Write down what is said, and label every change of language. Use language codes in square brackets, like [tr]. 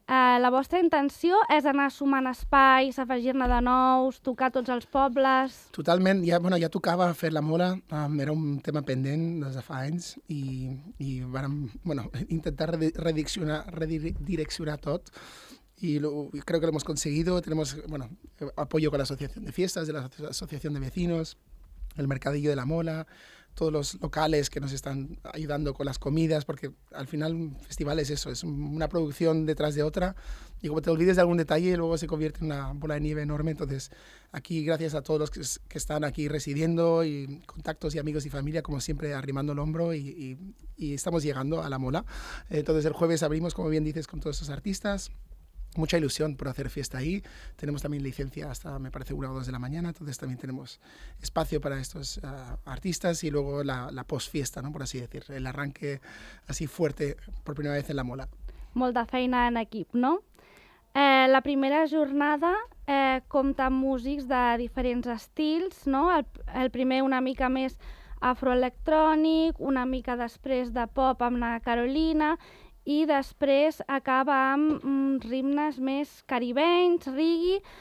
[ca] La vostra intenció és anar sumant espais, afegir-ne de nous, tocar tots els pobles... Totalment. Ja tocava fer la Mola, era un tema pendent des de fa anys i vam intentar redireccionar tot. [es] Creo que lo hemos conseguido. Tenemos apoyo con la Asociación de Fiestas, de la Asociación de Vecinos, el Mercadillo de la Mola, todos los locales que nos están ayudando con las comidas, porque al final un festival es eso, es una producción detrás de otra, y como te olvides de algún detalle, luego se convierte en una bola de nieve enorme. Entonces aquí, gracias a todos los que están aquí residiendo, y contactos y amigos y familia, como siempre, arrimando el hombro, y estamos llegando a la Mola. Entonces el jueves abrimos, como bien dices, con todos esos artistas. Mucha ilusión por hacer fiesta ahí. Tenemos también licencia hasta, me parece, 1 o 2 de la mañana. Entonces también tenemos espacio para estos artistas y luego la post-fiesta, ¿no? Por así decir, el arranque así fuerte por primera vez en la Mola. [ca] Molta feina en equip, ¿no? La primera jornada compta amb músics de diferents estils, ¿no? El primer una mica més afroelectrònic, una mica després de pop amb la Carolina, i després acaba amb ritmes més caribenys, reggae.